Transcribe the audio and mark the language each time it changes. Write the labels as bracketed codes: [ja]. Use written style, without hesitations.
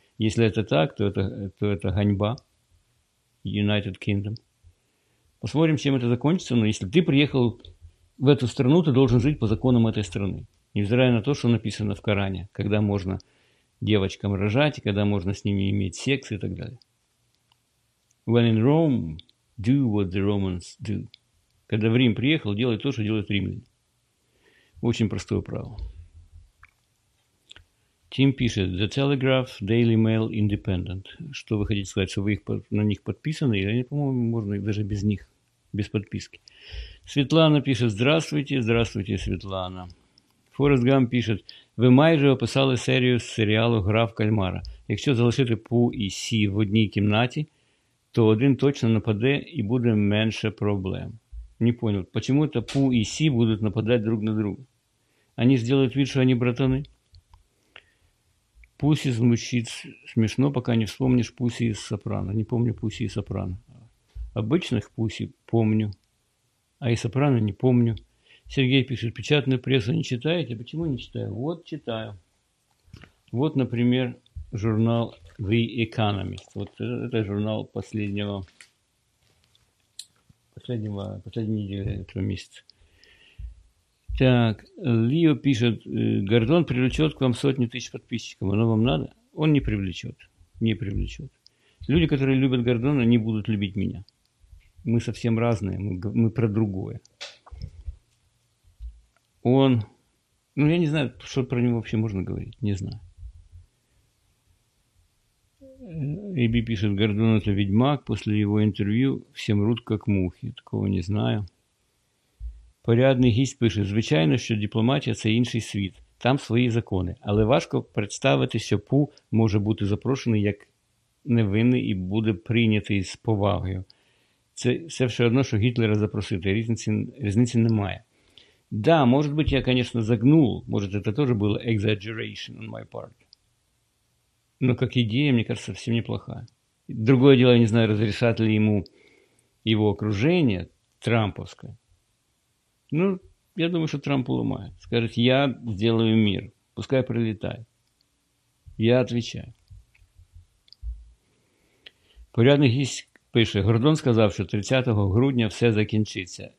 [ru] Если это так, то это ганьба United Kingdom. Посмотрим, чем это закончится. Но если ты приехал в эту страну, ты должен жить по законам этой страны. Невзирая на то, что написано в Коране, когда можно девочкам рожать, когда можно с ними иметь секс и так далее. [en] When in Rome, do what the Romans do. [ru] Когда в Рим приехал, делай то, что делают римляне. Очень простое правило. Тим пишет, The Telegraph, Daily Mail, Independent. Что вы хотите сказать, что вы на них подписаны? Или, по-моему, можно даже без них, без подписки. Светлана пишет, здравствуйте, здравствуйте, Светлана. [uk] Форест Гамп пишет, ви майже описали серію з серіалу «Гра в кальмара». Якщо залишити Пу і Сі в одній кімнаті, то один точно нападе і буде менше проблем. [ru] Не понял, почему это Пу і Сі [uk] будуть [ru] нападати друг на друга? [uk] Вони ж зроблять вид, що вони братани. Пусі звучить смішно, поки не вспомниш Пусі із Сопрано. [ru] Не помню Пусі із Сопрано. Обичних Пусі помню, а із Сопрано не помню. Сергей пишет, печатную прессу не читаете? Почему не читаю? Вот читаю. Вот, например, журнал The Economist. Вот это журнал последней недели этого месяца. Так, Лио пишет, Гордон привлечет к вам сотни тысяч подписчиков. Оно вам надо? Он не привлечет. Не привлечет. Люди, которые любят Гордона, не будут любить меня. Мы совсем разные, мы про другое. Он, ну я не знаю, что про него вообще можно говорить, не знаю. Эйби пишет, Гордон это ведьмак, после его интервью все мрут как мухи, такого не знаю. [uk] Порядний гість пише, звичайно, що дипломатія – це інший світ, там свої закони, але важко представити, що Пу може бути запрошений як невинний і буде прийнятий з повагою. Це все, все одно, що Гітлера запросити, різниці немає. Да, може бути, я, звісно, загнув, може, це теж було [en] exaggeration on my part. [ru] Но как идея, мне кажется, совсем неплохая. Другое дело, я не знаю, разрешат ли ему его окружение трамповское. Ну, я думаю, что Трамп уломает. Скажет, я сделаю мир, пускай прилетает. Я отвечаю. [uk] Порядный гість пише, Гордон сказав, що 30 грудня все закінчиться.